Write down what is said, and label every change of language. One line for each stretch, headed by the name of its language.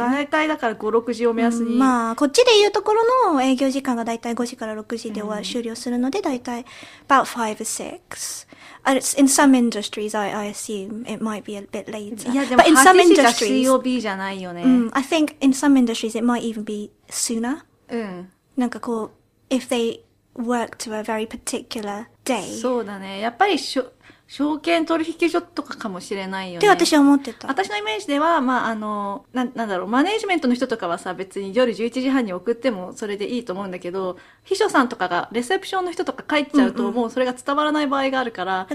Japanese: そう、大体だから5、6時を目安に、うん。まあ、こっちで言うところの営業時間が大体5時から6時で終了するので、大体、
English: about 5 or 6. In some industries, I assume it might be a bit later.
Japanese: いや、でも8時じゃ COB じゃないよね。うん、
English: I think in some industries it might even be sooner.
Japanese: うん。なんかこう、
English: if they work to a very particular,
Japanese: そうだね。やっぱり、証券取引所とかかもしれないよね。って私は思ってた。私のイメージでは、まあ、なんだろう、マネージメントの人とかはさ、別に夜11時半に送ってもそれでいいと思うんだけど、秘書さんとかが、レセプションの人とか帰っちゃうと、もうそれが伝わらない場合があるから、